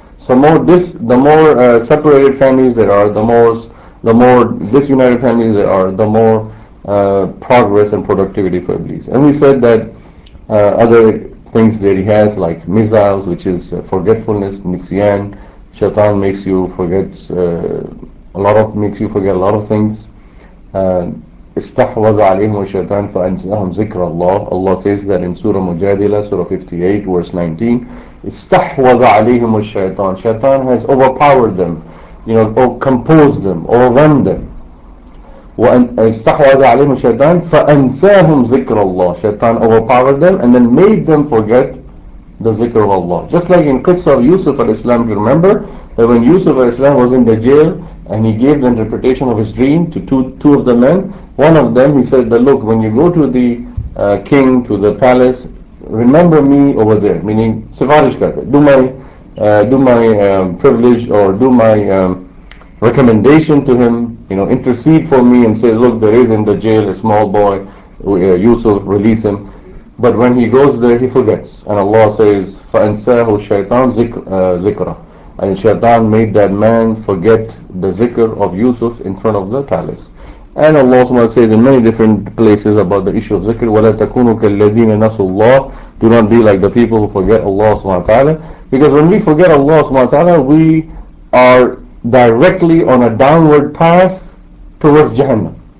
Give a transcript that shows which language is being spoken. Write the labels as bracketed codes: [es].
[en] So the more separated families there are, the more disunited families there are, the more progress and productivity for Iblis. And we said that other things that he has, like mizaz, which is forgetfulness, nisyan, shaitan makes you forget a lot of things. [ar] استحوذ عليهم الشيطان فأنساهم ذكر الله. [en] Allah says that in Surah Mujadila, Surah 58, verse 19, [ar] استحوذ عليهم الشيطان. [en] Shaitan has overpowered them, you know, or composed them, overwhelmed them. [ar] استحوذ عليهم الشيطان فأنساهم ذكر الله. [en] Shaitan overpowered them and then made them forget the zikr of Allah. Just like in Qissa of Yusuf al-Islam, you remember that when Yusuf al-Islam was in the jail and he gave the interpretation of his dream to two of the men, one of them, he said that, "Look, when you go to the king, to the palace, remember me over there," meaning [ur] sifarish karte, [en] do my recommendation to him, you know, intercede for me and say, "Look, there is in the jail a small boy, Yusuf, release him." But when he goes there, he forgets. And Allah says, [ar] فَأَنْسَاهُ الشَّيْطَانُ ذِكْرًا. [en] And Shaitan made that man forget the zikr of Yusuf in front of the palace. And Allah says in many different places about the issue of zikr, [ar] وَلَا تَكُونُوا كَالَّذِينَ نَسُوا اللَّهِ. [en] Do not be like the people who forget Allah subhanahu wa ta'ala. Because when we forget Allah subhanahu wa ta'ala, we are directly on a downward path towards Jahannam.